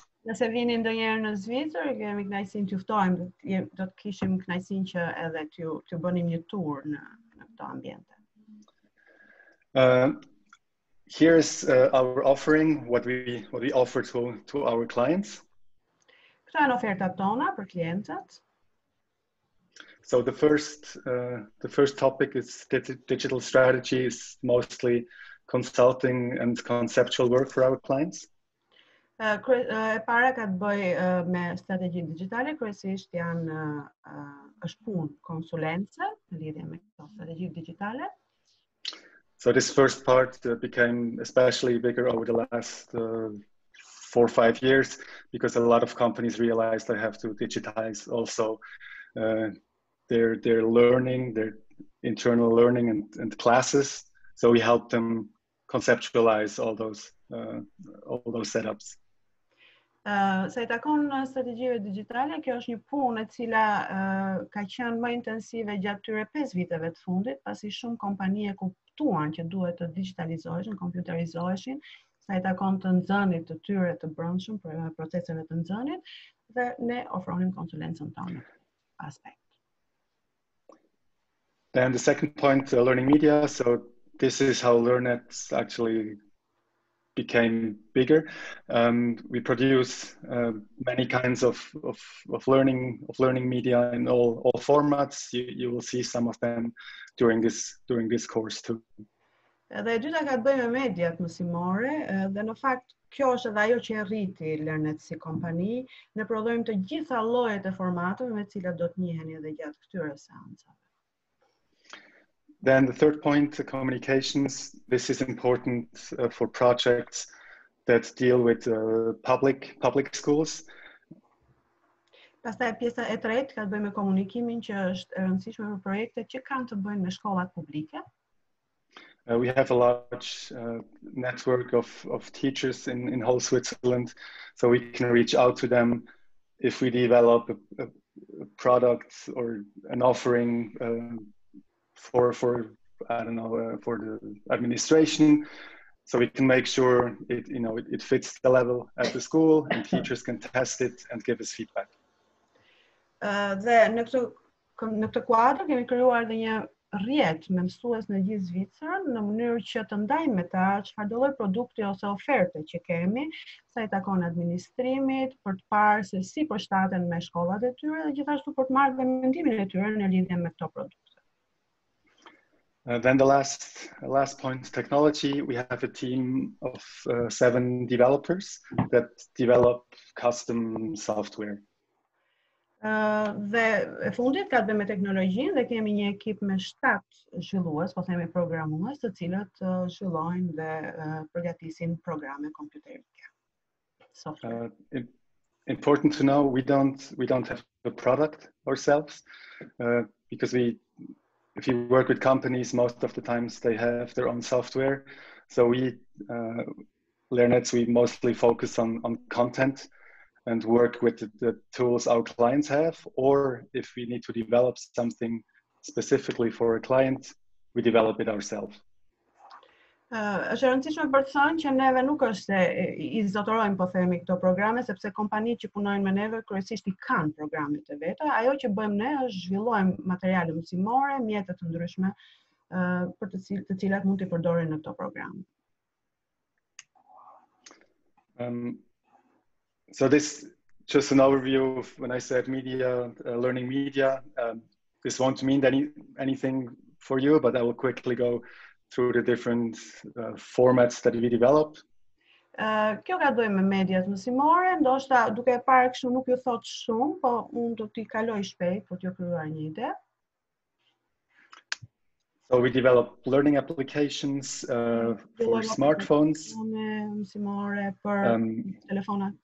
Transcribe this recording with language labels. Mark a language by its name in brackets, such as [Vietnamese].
[Albanian] Nëse vini ndonjëherë në Zvicër, kemi kënaqësinë t'ju ftojmë, do të kishim kënaqësinë që edhe t'ju bënim një tur në këto ambiente. [English] Here's our offering, what we offer to our clients. [Albanian] Këto janë ofertat tona për klientët. [English] So the first topic is digital strategies, mostly consulting and conceptual work for our clients. [Albanian] E para ka të bëj me strategjinë digjitale, kryesisht janë është punë konsulence në lidhje me këto strategji digjitale. [English] So this first part became especially bigger over the last 4 or 5 years because a lot of companies realized they have to digitize also their learning, their internal learning and classes. So we helped them conceptualize all those setups. [Albanian] Sa I takon në strategjive digitale, kjo është një punë e cila ka qenë më intensive gjatë tyre 5 viteve të fundit, pasi shumë kompani e kuptuan që duhet të digitalizoheshin, kompjuterizoheshin, sa I takon të nxënit të tyre të brendshëm për proceseve të nxënit, dhe ne ofronim konsulencën tonë aspekt. [English] Then the second point, learning media. So this is how LearnNets actually became bigger. We produce many kinds of learning media in all formats. You will see some of them during this course too. [Albanian] Edhe e dyta ka të bëjë me mediat mësimore, dhe në fakt kjo është edhe ajo që e rriti Learnet si kompani. Ne prodhojmë të gjitha llojet e formateve me të cilat do të njiheni edhe gjatë këtyre seancave. [English] Then the third point, the communications. This is important for projects that deal with public schools. [Albanian] Pastaj pjesa e tretë ka të bëjë me komunikimin që është e rëndësishme për projektet që kanë të bëjnë me shkollat publike. [English] We have a large network of teachers in whole Switzerland, so we can reach out to them if we develop a product or an offering for the administration, so we can make sure it fits the level at the school and teachers can test it and give us feedback. [Albanian] Në këtë kuadër kemi krijuar edhe një rrjet me mësues në gjithë Zvicrën në mënyrë që të ndajmë me ta çfarëdo lloj produkti ose oferte që kemi sa i takon administrimit për të parë se si përshtaten me shkollat e tyre dhe gjithashtu për të marrë mendimin e tyre në lidhje me këto produkte. [English] Then the last point, technology. We have a team of 7 developers that develop custom software. [Albanian] Dhe e fundit ka të bëjë me teknologjinë dhe kemi një ekip me 7 zhvilluës, po themi programues, të cilët zhvillojnë dhe përgatisin programe kompjuterike. [English] Important to know, we don't have a product ourselves because if you work with companies, most of the times they have their own software. So we, Learnets, we mostly focus on content and work with the tools our clients have. Or if we need to develop something specifically for a client, we develop it ourselves. [Albanian] Është rëndësishme për të thënë që neve nuk është se i zotërojmë po themi këto programe, sepse kompanitë që punojnë me neve kryesisht i kanë programet e veta. Ajo që bëjmë ne është zhvillojmë materiale mësimore, mjete të ndryshme për të cilat mund t'i përdorin në këto programe. [English] So this just an overview of when I said media, learning media. This won't mean anything for you, but I will quickly go through the different formats that we develop. [Albanian] Kjo ka të bëjë me mediat mësimore, ndoshta duke parë kështu nuk ju thot shumë, po unë do t'i kaloj shpejt për t'ju krijuar një ide. [English] So we develop learning applications for smartphones. [Albanian] Mësimore për telefonat.